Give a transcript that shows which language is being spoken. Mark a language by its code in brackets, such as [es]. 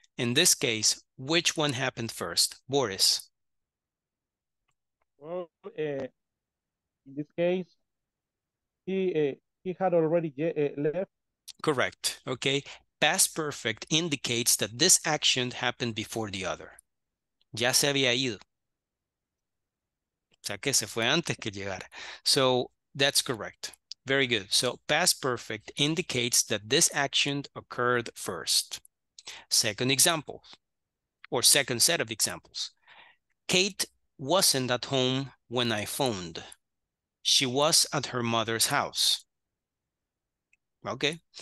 [en] In this case, which one happened first? Boris. Well, in this case, he had already left. Correct. Okay. Past perfect indicates that this action happened before the other. [es] Ya se había ido. O sea, que se fue antes que llegara. [en] So that's correct. Very good. So past perfect indicates that this action occurred first. Second example, or second set of examples. Kate wasn't at home when I phoned. She was at her mother's house. Okay.